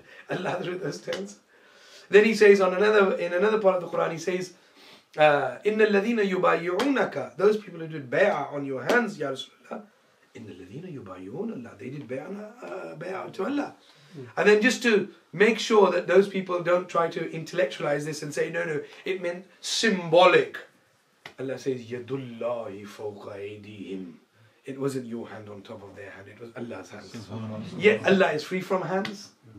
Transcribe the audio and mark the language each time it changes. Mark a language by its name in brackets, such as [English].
[English] Allah threw those stones. Then he says in another part of the Quran, he says, [Arabic] إِنَّ الَّذِينَ يُبَايِعُونَكَ, [English] those people who did bay'ah on your hands, Ya Rasulullah, [Arabic] إِنَّ الَّذِينَ يُبَايِعُونَ اللَّهَ, [English] they did bay'ah to Allah. And then just to make sure that those people don't try to intellectualize this and say, no, it meant symbolic. Allah says, [Arabic] يَدُلَّهِ فَوْقَ أَيْدِهِمْ. [English] It wasn't your hand on top of their hand, it was Allah's hand. Yet Allah is free from hands.